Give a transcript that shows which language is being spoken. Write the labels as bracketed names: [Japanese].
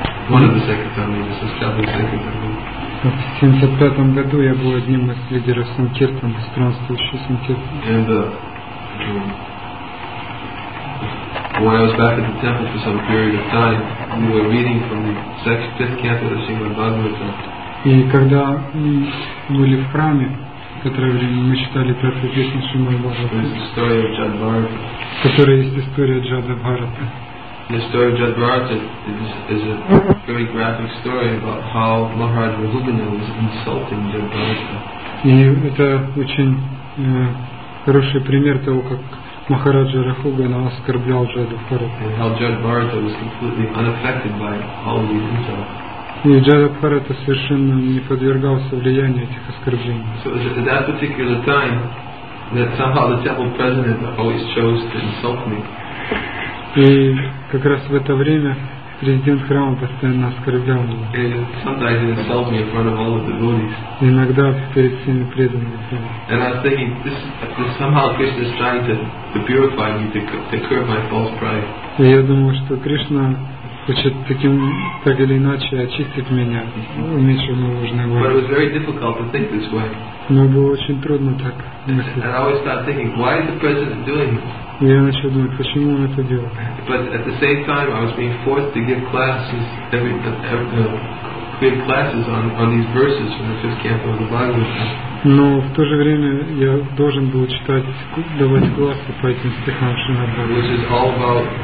[English] One of the secretary leaders, the established secretary leader. [Russian] В 75-м году я был одним из лидеров Санкиртан, странствующий Санкиртан. [English] And when I was back at the temple for some period of time, we were reading from the 5th canto of Srimad Bhagavatam. [Russian] И когда мы были в храме, которое время мы читали пятую песню Шримад Бхагаватам, которая есть история Джада Бхарата. [English] The story of Джада Бхарата is a very graphic story about how Maharaj Rahubana was insulting Джада Бхарата. [Russian] И это очень хороший пример того, как Махараджа Рахугана оскорблял Джада Бхарата. [English] And how Джада Бхарата was completely unaffected by all of these insults. [Russian] И Джада Бхарата совершенно не подвергался влиянию этих оскорблений. [English] So at that particular time, that somehow the temple president always chose to insult me. [Russian] И как раз в это время президент храма постоянно оскорблял меня. [English] And sometimes he insulted me in front of all the devotees. [Russian] Иногда перед всеми преданными. [English] And I was thinking, this somehow Krishna is trying to purify me, to curb my false pride. [Russian] И я думал, что Кришна хочет таким, так или иначе, очистить меня, уменьшить мою ложную гордость. [English] But it was very difficult to think this way. [Russian] Но было очень трудно так мыслить. [English] And I always started thinking, why is the president doing this? [Russian] И я начал думать, почему он это делает? [English] But at the same time, I was being forced to give classes, give classes on these verses from the 5th canto of the Bhagavatam. [Russian] Но в то же время я должен был читать, давать классы по этим стихам Шримад